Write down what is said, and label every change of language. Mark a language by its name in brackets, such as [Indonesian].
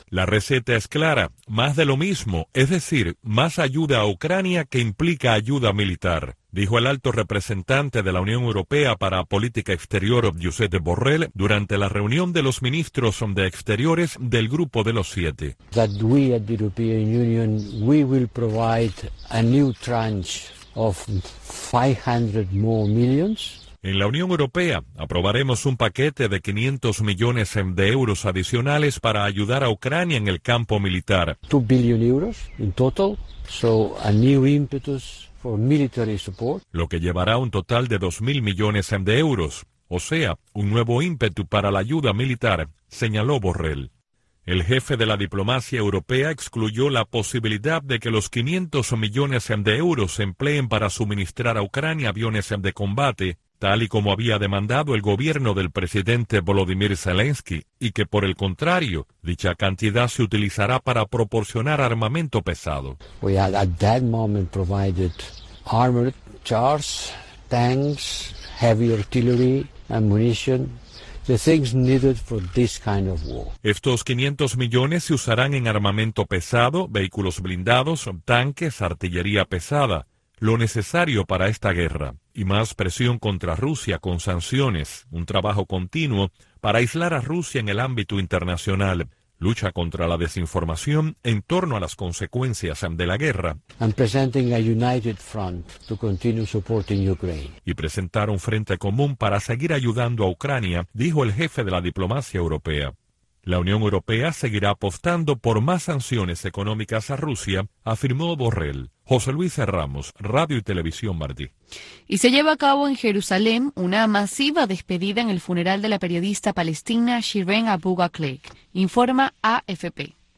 [Spanish] La receta es clara. Más de lo mismo, es decir, más ayuda a Ucrania que implica ayuda militar, dijo el alto representante de la Unión Europea para Política Exterior, Josep Borrell, durante la reunión de los ministros de Exteriores del Grupo de los Siete. [English] That we at the European Union, we will provide a new tranche of 500 more millions. [Spanish] En la Unión Europea aprobaremos un paquete de 500 millones de euros adicionales para ayudar a Ucrania en el campo militar. [English] 2 billion euros in total, so a new impetus for military support. [Spanish] Lo que llevará un total de 2.000 millones de euros, o sea, un nuevo ímpetu para la ayuda militar, señaló Borrell. El jefe de la diplomacia europea excluyó la posibilidad de que los 500 millones de euros se empleen para suministrar a Ucrania aviones de combate, tal y como había demandado el gobierno del presidente Volodymyr Zelensky, y que, por el contrario, dicha cantidad se utilizará para proporcionar armamento pesado. [English] We had at that moment provided armored cars, tanks, heavy artillery, ammunition, the things needed for this kind of war. [Spanish] Estos 500 millones se usarán en armamento pesado, vehículos blindados, tanques, artillería pesada, lo necesario para esta guerra, y más presión contra Rusia con sanciones, un trabajo continuo para aislar a Rusia en el ámbito internacional, lucha contra la desinformación en torno a las consecuencias de la guerra. [English] And presenting a united front to continue supporting Ukraine. [Spanish] Y presentar un frente común para seguir ayudando a Ucrania, dijo el jefe de la diplomacia europea. La Unión Europea seguirá apostando por más sanciones económicas a Rusia, afirmó Borrell. José Luis Ramos, Radio y Televisión Martí. Y se lleva a cabo en Jerusalén una masiva despedida en el funeral de la periodista palestina Shireen Abu Ghraib, informa AFP.